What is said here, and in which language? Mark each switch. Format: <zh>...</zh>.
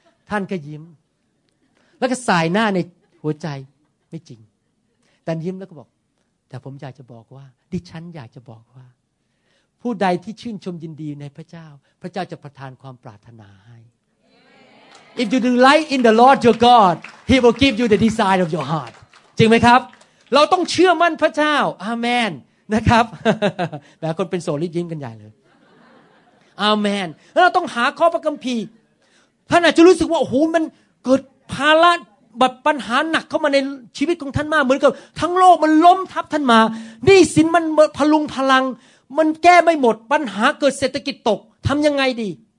<th>ท่านก็ยิ้มแล้วก็สายหน้าในหัวใจไม่จริงแต่ยิ้มแล้วก็บอกแต่ผมอยากจะบอกว่าดิฉันอยากจะบอกว่าผู้ใดที่ชื่นชมยินดีในพระเจ้าพระเจ้าจะประทานความปรารถนาให้ Amen.</th> <en>If you delight in the Lord your God, He will give you the desire of your heart.</en> <th>จริงไหมครับเราต้องเชื่อมั่นพระเจ้า Amen. นะครับแบบคนเป็นโสดยิ้มกันใหญ่เลย Amen. เราต้องหาข้อพระคัมภีร์ท่านอาจจะรู้สึกว่าโอ้โหมันเกิดภาระบัดปัญหาหนักเข้ามาในชีวิตของท่านมากเหมือนกับทั้งโลกมันล้มทับท่านมาหนี้สินมันพลุงพลังมันแก้ไม่หมดปัญหาเกิดเศรษฐกิจตกทำยังไงดี</th>